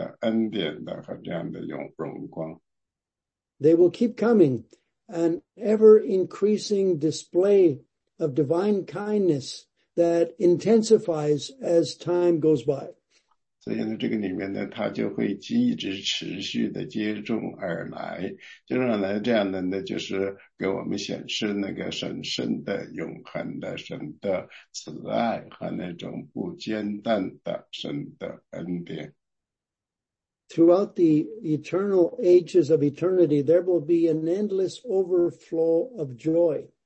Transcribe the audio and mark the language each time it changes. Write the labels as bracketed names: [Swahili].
[Chinese] 这个呢，就是就像那个海浪冲到沙滩是一样的，每一个波浪呢，把沙滩呢就是重新塑造回一个更好的永恒的这样的恩典的和这样的荣光。 [English] They will keep coming, an ever-increasing display of divine kindness that intensifies as time goes by. [Chinese] 所以呢，这个里面呢，它就会一直持续的接踵而来，就让来这样的呢，就是给我们显示那个神圣的永恒的神的慈爱和那种不间断的神的恩典。 [English] Throughout the eternal ages of eternity, there will be an endless overflow of joy.